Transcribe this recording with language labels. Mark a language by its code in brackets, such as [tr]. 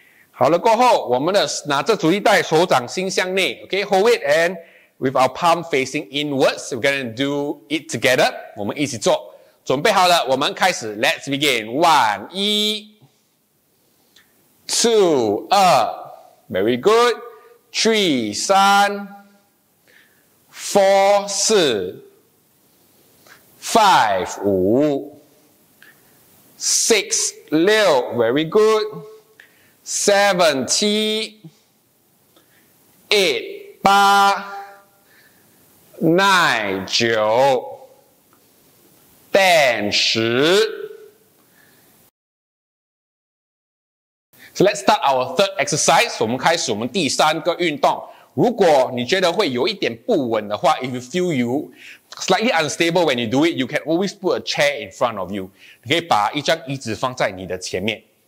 [zh] 好了过后，我们的拿着阻力带，手掌心向内。 [en] Okay, hold it and. With our palm facing inwards, we're gonna do it together. [zh] 我们一起做。准备好了，我们开始。 [en] Let's begin. 1, 2, 3. Very good. 3, 4, 5, 6. Very good. 7, 8, 9. Nine, 九 ,ten, 十 So let's start our third exercise. [zh] 我们开始我们第三个运动。如果你觉得会有一点不稳的话 [en] ,if you feel you slightly unstable when you do it, you can always put a chair in front of you. [zh] 你可以把一张椅子放在你的前面。